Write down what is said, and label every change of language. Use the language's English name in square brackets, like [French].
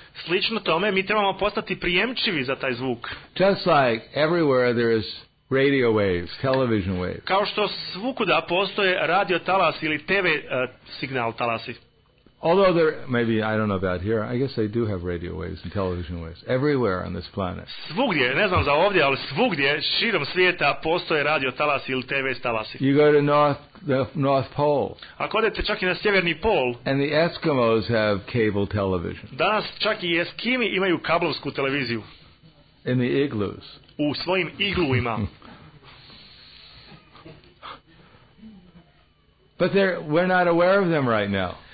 [Bosnian] Slično tome, mi trebamo postati prijemčivi za taj zvuk. [English] Just like everywhere there is radio waves, television waves. [Bosnian] Kao što svukuda postoje radio talas ili TV signal talasi. [English] Although there, maybe, I don't know about here, I guess they do have radio waves and television waves everywhere on this planet. [Bosnian] Svugdje, ne znam za ovdje, ali svugdje, širom svijeta postoje radio talasi ili TV talasi. [English] You go to the North Pole. [Bosnian] Ako odete čak i na sjeverni pol. [English] And the Eskimos have cable television. [Bosnian] Danas čak i Eskimi imaju kablovsku televiziju. [English] In the igloos. [Bosnian] U svojim igluima. [English] But we're not aware of them right now.